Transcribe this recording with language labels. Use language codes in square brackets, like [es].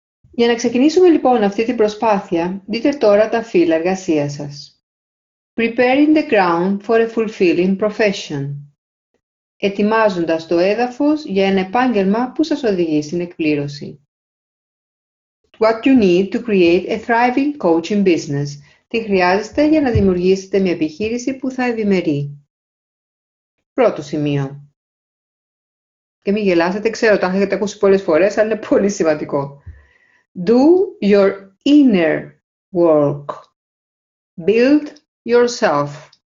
[el] Για να ξεκινήσουμε λοιπόν αυτή την προσπάθεια, δείτε τώρα τα φύλλα εργασίας σας. [en] Preparing the ground for a fulfilling profession. [el] Ετοιμάζοντας το έδαφος για ένα επάγγελμα που σας οδηγεί στην εκπλήρωση. [en] What you need to create a thriving coaching business. [el] Τι χρειάζεστε για να δημιουργήσετε μια επιχείρηση που θα ευημερεί. Πρώτο σημείο. Και μην γελάσετε, ξέρω, το έχετε ακούσει πολλές φορές, αλλά είναι πολύ σημαντικό. [en] Do your inner work. Build yourself.